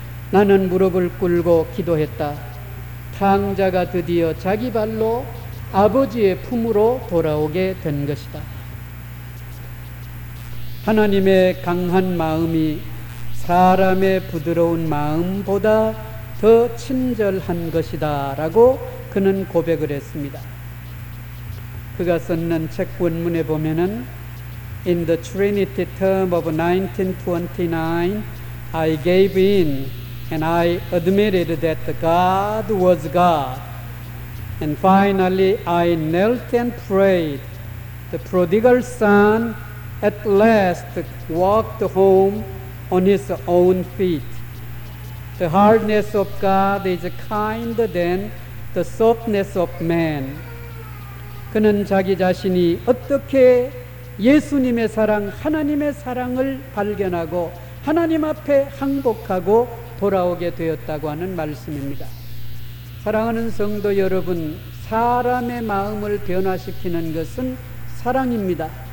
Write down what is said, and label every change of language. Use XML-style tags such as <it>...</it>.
<ko>나는 무릎을 꿇고 기도했다. 탕자가 드디어 자기 발로 아버지의 품으로 돌아오게 된 것이다. 하나님의 강한 마음이 사람의 부드러운 마음보다 더 친절한 것이다 라고 그는 고백을 했습니다. 그가 썼는 책 원문에 보면은</ko> <en>In the Trinity term of 1929, I gave in and I admitted that God was God. And finally, I knelt and prayed. The prodigal son at last walked home on his own feet. The hardness of God is kinder than the softness of man.</en> <ko>그는 자기 자신이 어떻게 예수님의 사랑, 하나님의 사랑을 발견하고 하나님 앞에 항복하고 돌아오게 되었다고 하는 말씀입니다. 사랑하는 성도 여러분, 사람의 마음을 변화시키는 것은 사랑입니다.</ko>